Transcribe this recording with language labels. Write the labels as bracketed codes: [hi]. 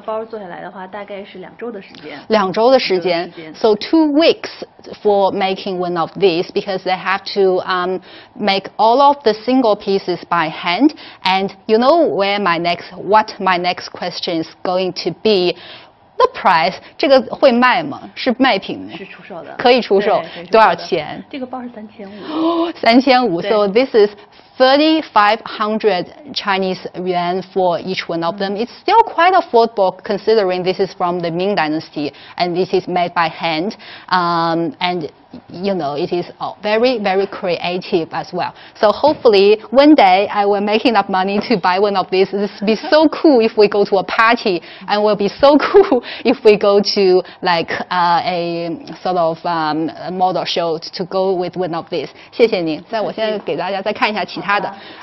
[zh] 我们要做这样的，因为它完全手工切割陶瓷片，然后再对着，再来拼出来。那这样的一个包做下来的话，大概是两周的时间。两周的时间。 [en] So 2 weeks for making one of these, because they have to make all of the single pieces by hand. And you know where my next, what my next question is going to be. The price, [zh] 这个会卖吗?是卖品吗? 是出售的。可以出售, 对, 多少钱? 这个包是3500。3500, [en] so this is 3500 Chinese yuan for each one of them. It's still quite affordable considering this is from the Ming Dynasty and this is made by hand. And you know, it is very, very creative as well. So hopefully one day I will make enough money to buy one of these. This would be so cool if we go to a party, and will be so cool if we go to like a sort of model show to go with one of these. [zh] 谢谢您。那我现在给大家再看一下其他的。